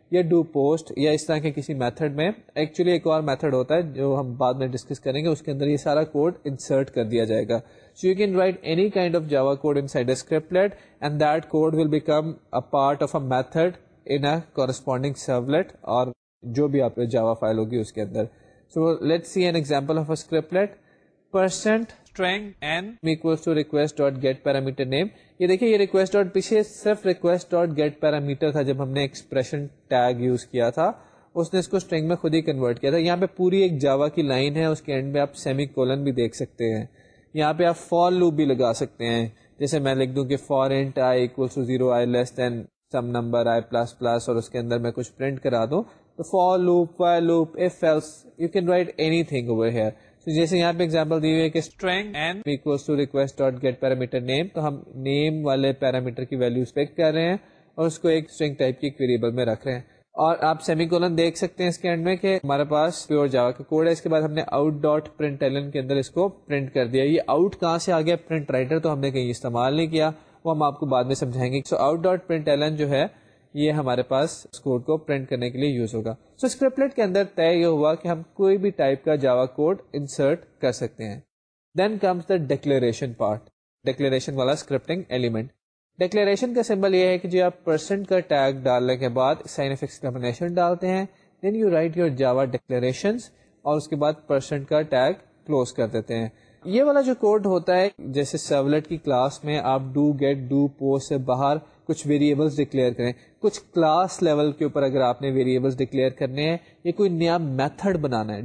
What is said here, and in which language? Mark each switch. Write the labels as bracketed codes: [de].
[ur] یا do post یا اس طرح کے کسی میتھڈ میں. ایکچولی ایک اور میتھڈ ہوتا ہے جو ہم بعد میں ڈسکس کریں گے, اس کے اندر یہ سارا کوڈ انسرٹ کر دیا جائے گا. [en] so you can write any kind of Java code inside a scriptlet and that code will become a part of a method in a corresponding servlet [ur] اور جو بھی آپ جاوا فائل ہوگی اس کے اندر. [en] So let see an example of a scriptlet. Percent string n equals to request.getParameterName. [ur] یہ دیکھیے یہ request dot پیچھے صرف ریکویسٹ ڈاٹ گیٹ پیرامیٹر تھا, جب ہم نے ایکسپریشن ٹیگ یوز کیا تھا اس نے اس کو اسٹرنگ میں خود ہی کنورٹ کیا تھا. یہاں پہ پوری ایک جاوا کی لائن ہے, اس کے اینڈ میں آپ سیمی کولن بھی دیکھ سکتے ہیں. یہاں پہ آپ فور لوپ بھی لگا سکتے ہیں, جیسے میں لکھ دوں کہ [en] for int I equals to zero I less than some number I plus plus, [ur] اور اس کے اندر میں کچھ پرنٹ کرا دوں. [en] تو for loop while loop if else you can write anything over here. [ur] تو جیسے یہاں پہ ایگزامپل دی ہوئی ہے کہ [en] string n equals to request.getParameterName, [ur] تو ہم نیم والے پیرامیٹر کی ویلیوز پک کر رہے ہیں اور اس کو ایک string type کی ویریبل میں رکھ رہے ہیں. اور آپ سیمی کولن دیکھ سکتے ہیں اس کے اینڈ میں کہ ہمارے پاس پیور جاوا کا کوڈ ہے. اس کے بعد ہم نے آؤٹ ڈاٹ پرنٹ ایلن کے اندر اس کو پرنٹ کر دیا. یہ آؤٹ کہاں سے آ گیا, پرنٹ رائٹر تو ہم نے کہیں استعمال نہیں کیا, وہ ہم آپ کو بعد میں سمجھائیں گے. سو آؤٹ ڈاٹ پرنٹ ایلن جو ہے یہ ہمارے پاس اس کوڈ کو پرنٹ کرنے کے لیے یوز ہوگا. سو اسکرپٹلیٹ کے اندر طے یہ ہوا کہ ہم کوئی بھی ٹائپ کا جاوا کوڈ انسرٹ کر سکتے ہیں. [en] Then comes the declaration part, declaration والا scripting element. [ur] ڈکلیریشن کا سمبل یہ ہے کہ جو آپ پرسنٹ کا ٹیگ ڈالنے کے بعد سائن اف ایکسکلیمنیشن ڈالتے ہیں, [en] then you write your Java declarations [ur] اور اس کے بعد پرسنٹ کا ٹیگ کلوز کر دیتے ہیں. یہ والا جو کوڈ ہوتا ہے, جیسے سرولیٹ کی کلاس میں آپ ڈو گیٹ ڈو پوسٹ سے باہر کچھ ویریبلس ڈکلیئر کریں, کچھ کلاس لیول کے اوپر اگر آپ نے ویریبلس ڈکلیئر کرنے ہیں یا کوئی نیا میتھڈ بنانا ہے.